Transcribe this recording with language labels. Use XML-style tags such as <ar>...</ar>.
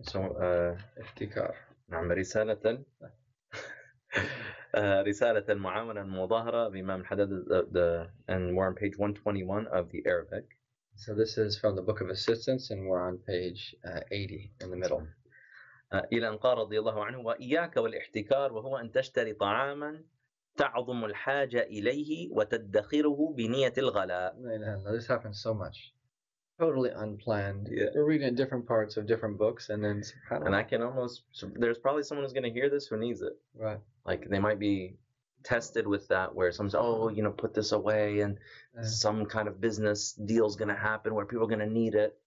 <en>So, iftikar.</en> <ar>نعم رسالة رسالة معاونة مظاهرة بإمام الحداد</ar> <en>and we're on page 121 of the Arabic. So this is from the Book of Assistance and we're on page 80 in the middle.</en> <ar>إلى أن قال رضي الله عنه وإياك والاحتكار وهو أن تشتري طعاما تعظم الحاجة إليه وتدخره بنية الغلاء.</ar> <en>This happens so much. Totally unplanned. Yeah. We're reading different parts of different books, and then and I can almost there's probably someone who's going to hear this who needs it. Right. Like they might be tested with that, where someone's put this away, and some kind of business deal's going to happen where people are going to need it,</en>